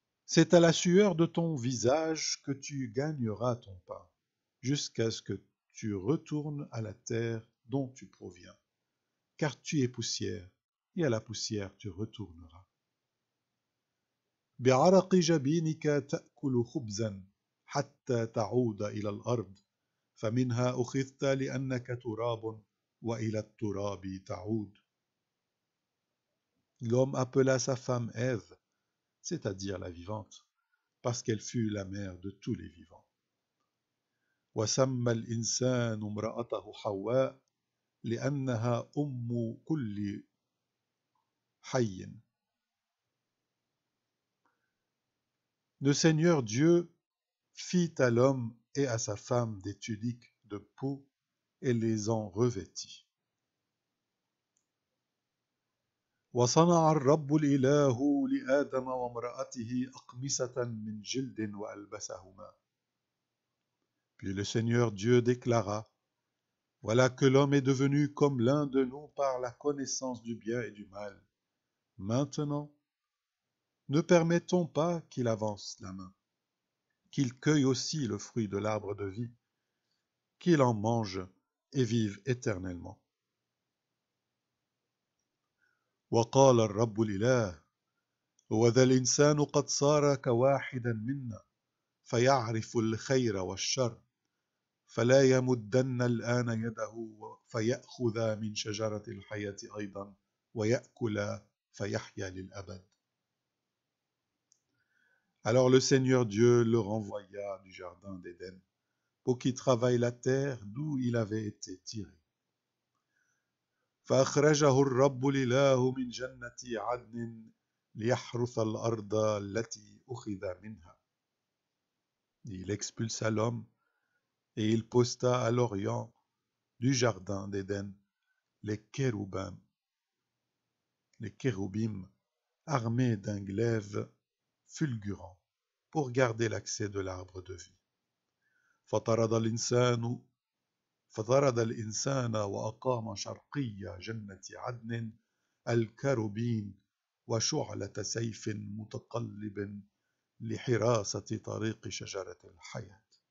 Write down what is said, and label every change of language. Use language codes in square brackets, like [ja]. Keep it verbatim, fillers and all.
[fr] C'est à la sueur de ton visage que tu gagneras ton pain, jusqu'à ce que tu retournes à la terre dont tu proviens, car tu es poussière, et à la poussière tu retourneras. [ar] بعرق جبينك تأكل خبزا حتى تعود إلى الأرض فمنها أخذت لأنك تراب وإلى التراب تعود. [fr] L'homme appela sa femme Ève, c'est-à-dire la vivante, parce qu'elle fut la mère de tous les vivants. [ar] وَسَمَّى الْإِنسَانُ امْرَأَتَهُ حَوَّاءَ لِأَنَّهَا أُمُّ كُلِّ حَيٍّ. [fr] Le Seigneur Dieu fit à l'homme et à sa femme des tuniques de peau et les en revêtit. [ar] وصنع الرب الإله لآدم وامرأته أقمصة من جلد وألبسهما. [fr] Puis le Seigneur Dieu déclara, Voilà que l'homme est devenu comme l'un de nous par la connaissance du bien et du mal. Maintenant, ne permettons pas qu'il avance la main, qu'il cueille aussi le fruit de l'arbre de vie, qu'il en mange et vivent éternellement. [ar] وقال الرب الإله: وذا الإنسان قد صار كواحدا منا فيعرف الخير والشر، فلا يمدن الآن يده فيأخذ من شجرة الحياة أيضا ويأكل فيحيا للأبد. [fr] Alors le Seigneur Dieu le renvoya du jardin d'Éden pour qu'il travaille la terre d'où il avait été tiré. [ar] فأخرجه الرب الإله من جنة عدن ليحرث الأرض التي أخذ منها. [fr] Il expulsa l'homme et il posta à l'orient du jardin d'Éden les kérubins, les kérubims armés d'un glaive fulgurant pour garder l'accès de l'arbre de vie. [ar] فطرد الإنسان فطرد الإنسان وأقام شرقي جنة عدن الكروبين وشعلة سيف متقلب لحراسة طريق شجرة الحياة.